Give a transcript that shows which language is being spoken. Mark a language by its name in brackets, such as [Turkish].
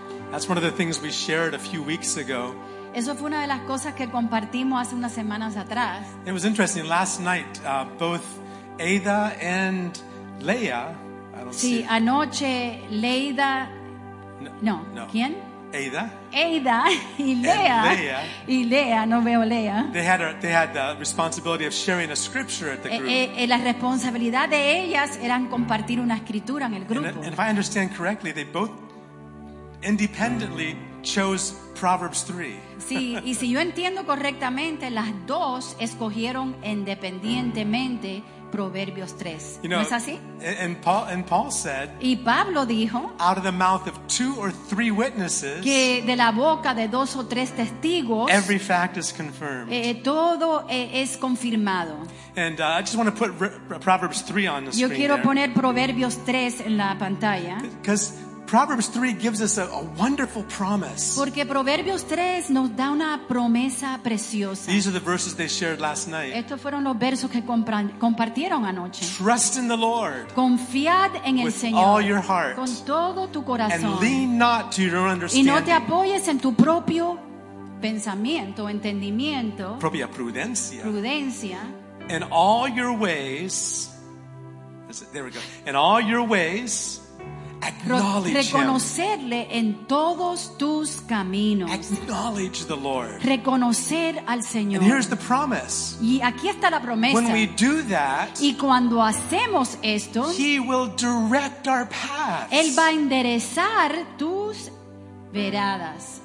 [English] That's one of the things we shared a few weeks ago. [Spanish] Eso fue una de las cosas que compartimos hace unas semanas atrás. [English] It was interesting. Last night, both Ada and Leia. [Spanish] Sí, anoche Leida. ¿Quién? Ada. Ada y Leia. [English] They had the responsibility of sharing a scripture at the group. [Spanish] La responsabilidad de ellas eran compartir una escritura en el grupo. [English] And if I understand correctly, they both independently chose Proverbs 3. [Spanish] Sí, y si yo entiendo correctamente, las dos escogieron independientemente Proverbios 3. [English] You know, [Spanish] ¿no es así? [English] And Paul said, [Spanish] y Pablo dijo, [English] out of the mouth of two or three witnesses, [Spanish] que de la boca de dos o tres testigos, [English] every fact is confirmed. [Spanish] Es confirmado. [English] And I just want to put Proverbs 3 on the screen. [Spanish] Yo quiero [English] there. [Spanish] Poner Proverbios 3 en la pantalla. [English] Because Proverbs 3 gives us a wonderful promise. [Spanish] Porque Proverbios 3 nos da una promesa preciosa. [English] These are the verses they shared last night. [Spanish] Estos fueron los versos que compartieron anoche. [English] Trust in the Lord. [Spanish] Confiad en el Señor. [English] With all your heart. [Spanish] Con todo tu corazón. [English] And lean not to your own understanding. [Spanish] Y no te apoyes en tu propio pensamiento, entendimiento. Propia prudencia. Prudencia. [English] In all your ways. There we go. In all your ways. [Spanish] Reconocerle en todos tus caminos. [English] Acknowledge the Lord. [Spanish] Reconocer al Señor. [English] And here's the promise. [Spanish] Y aquí está la promesa. [English] When we do that, [Spanish] y cuando hacemos esto, [English] He will direct our paths. [Spanish] Él va a enderezar tus veredas.